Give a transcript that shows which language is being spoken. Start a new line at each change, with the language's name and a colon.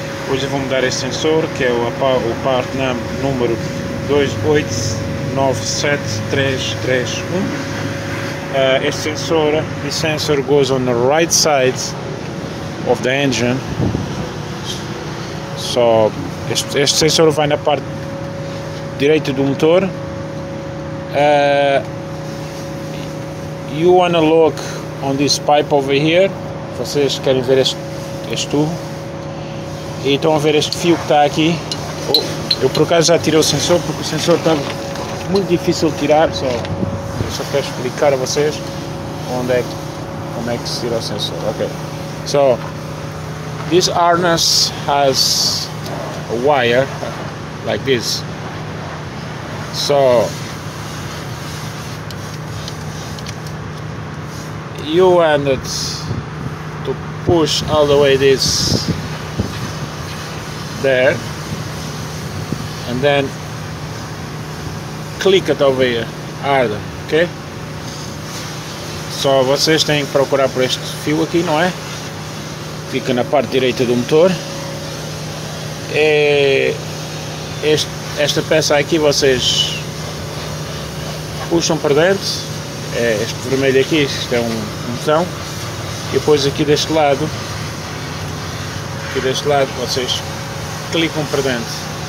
Portuguese: Hoje vou mudar esse sensor, que é o part number 2897331.
English: This sensor goes on the right side of the engine.
Portuguese: So este sensor vai na parte direita do motor.
English: You wanna look on this pipe over here.
Portuguese: Vocês querem ver este tubo? E estão a ver este fio que está aqui. Eu por acaso já tirei o sensor, porque o sensor está muito difícil de tirar. Só quero explicar a vocês como é que se tira o sensor. Ok.
English: So this harness has a wire like this. So you wanted to push all the way this there and then click it over here harder, ok?
Portuguese: Só vocês têm que procurar por este fio aqui, não é? Fica na parte direita do motor. E esta peça aqui vocês puxam para dentro. É este vermelho aqui, isto é um botão. E depois aqui deste lado vocês clicam para dentro.